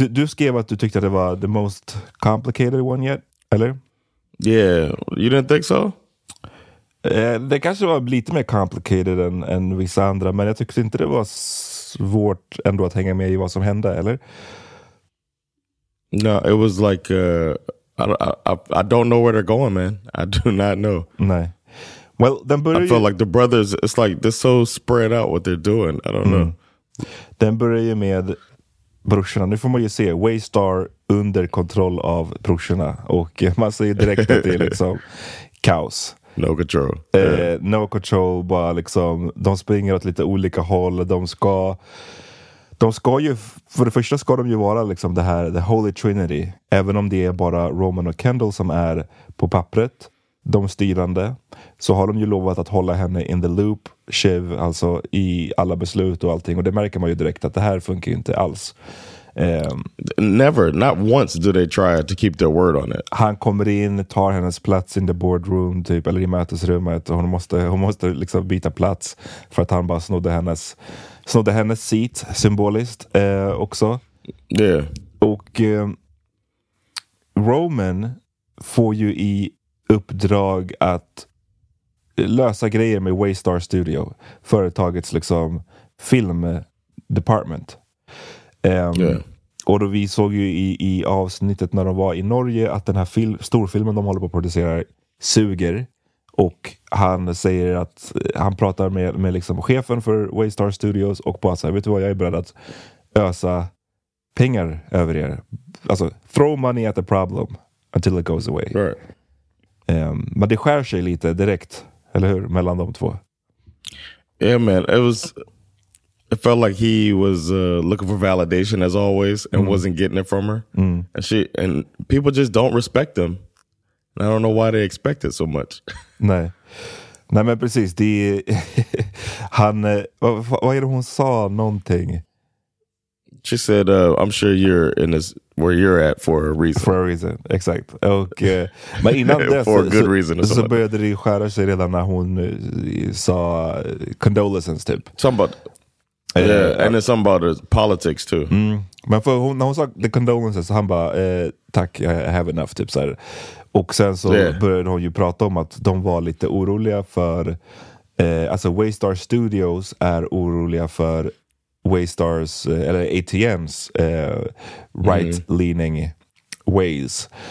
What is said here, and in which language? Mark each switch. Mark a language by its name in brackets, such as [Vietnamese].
[Swedish] Du skrev att du tyckte att det var [English] the most complicated one yet, [Swedish] eller? [English] Yeah, you didn't think so? [Swedish] Det kanske var lite mer complicated än vissa andra, men jag tyckte inte det var svårt ändå att hänga med i vad som hände, eller? [English] No, it was like I don't know where they're going, man. I do not know. [Swedish] Nej. [English] Well, [Swedish] den börjar. [English] I feel like the brothers. It's like they're so spread out what they're doing. I don't know. [Swedish] Den börjar ju med brorsorna. Nu får man ju se Waystar under kontroll av brorsorna, och man ser ju direkt att det är liksom kaos. [English] No control. No control. [Swedish] Bara liksom de springer åt lite olika håll. De ska ju vara liksom det här [English] the Holy Trinity, [Swedish] även om det är bara Roman och Kendall som är på pappret de styrande, så har de ju lovat att hålla henne [English] in the loop, [Swedish] Shiv, alltså i alla beslut och allting, och det märker man ju direkt att det här funkar ju inte alls. [English] Never, not once do they try to keep their word on it. [Swedish] Han kommer in, tar hennes plats [English] in the boardroom [Swedish] typ, eller i mötesrummet, och hon måste liksom byta plats för att han bara snodde hennes seat symboliskt också. [English] Yeah. [Swedish] Och Roman får ju i uppdrag att lösa grejer med Waystar Studio, företagets liksom [English] film department. Yeah. [Swedish] Och då vi såg ju i avsnittet när de var i Norge att den här storfilmen de håller på att producera suger, och han säger att han pratar med liksom chefen för Waystar Studios och bara säger, vet du vad, jag är beredd att ösa pengar över er. Alltså, [English] throw money at the problem until it goes away. Right. [Swedish] Men det skär sig lite direkt, eller hur, mellan de två. [English] Yeah, man, it felt like he was looking for validation as always and wasn't getting it from her. Mm. And she, and people just don't respect him. And I don't know why they expect it so much. [Swedish] Nej. Nej, men precis. De, han, vad är det hon sa någonting? [English] She said, I'm sure you're in this, where you're at for a reason. For a reason, [Swedish] exakt. Och, men innan dess [English] for a good reason, [Swedish] så började det skära sig redan när hon sa condolences typ. [English] Something about, yeah, and then something about politics too. Mm. [Swedish] Men för hon, när hon sa the condolences, han bara, tack, [English] I have enough [Swedish] typ så här. Och sen så började hon ju prata om att de var lite oroliga för, alltså Waystar Studios är oroliga för Waystars, eller ATMs right-leaning ways.